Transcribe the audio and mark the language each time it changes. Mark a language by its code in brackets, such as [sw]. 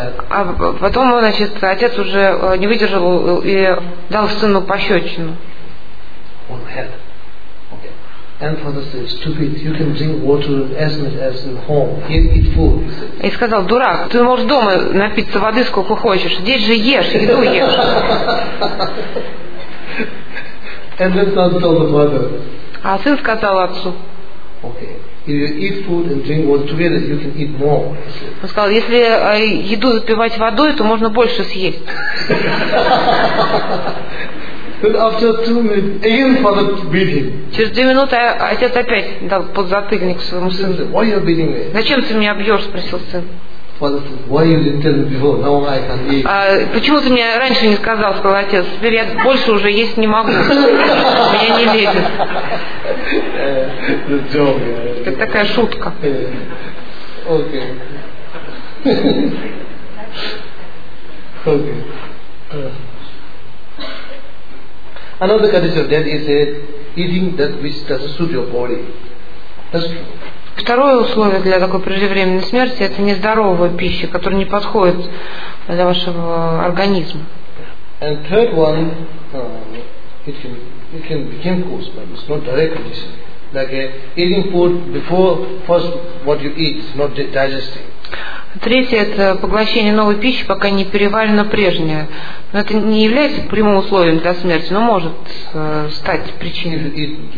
[ru] А потом, значит, отец уже не выдержал и дал сыну пощечину. [en] And father says, "Stupid, you can drink water as much as in home. Here, eat food." [ru] И сказал, дурак, ты можешь дома напиться воды сколько хочешь. Здесь же ешь, еду ешь. [en] And then son told the father. [ru] А сын сказал отцу. [en] Okay, if you eat food and drink water together, you can eat more. [ru] Он сказал, если еду запивать водой, то можно больше съесть. [en] But after 2 minutes, again father beat him. [ru] Через 2 минуты отец опять дал подзатыльник своему сыну. [en] Why are you beating me? [ru] Зачем ты меня бьешь? Спросил сын. [en] Father said, Why you didn't tell me before? Now I can eat. [ru] Почему ты мне раньше не сказал? Сказал отец. Теперь я больше уже есть не могу. Меня не лезет. [en] It's a joke. [ru] Это такая шутка. [en] Okay. Okay. Another condition of that is eating that which doesn't suit your body. That's true. [ru] Второе условие для такой преждевременной смерти это нездоровая пища, которая не подходит для вашего организма. [en] And third one, it can become cause, but it's not direct condition. Like eating food before first what you eat is not digesting. [ru] Третье – это поглощение новой пищи, пока не переварено прежнее. Но это не является прямым условием для смерти, но может стать причиной.